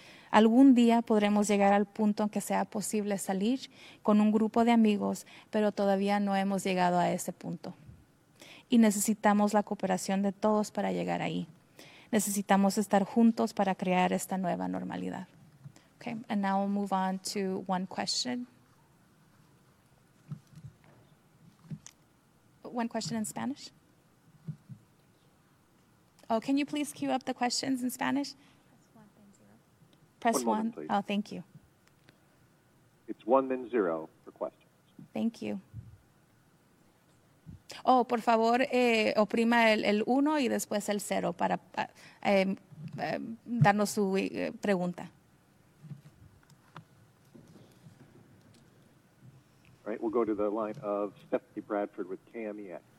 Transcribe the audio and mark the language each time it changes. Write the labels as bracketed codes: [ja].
[es] Algún día podremos llegar al punto en que sea posible salir con un grupo de amigos, pero todavía no hemos llegado a ese punto. Y necesitamos la cooperación de todos para llegar ahí. Necesitamos estar juntos para crear esta nueva normalidad. [en] Okay, and now we'll move on to one question. One question in Spanish. Oh, can you please queue up the questions in Spanish? Press one. Moment, oh, thank you. It's one then zero for questions. Thank you. [es] Oh, por favor, oprima el uno y después el cero para darnos su pregunta. [en] All right, we'll go to the line of Stephanie Bradford with KMEX.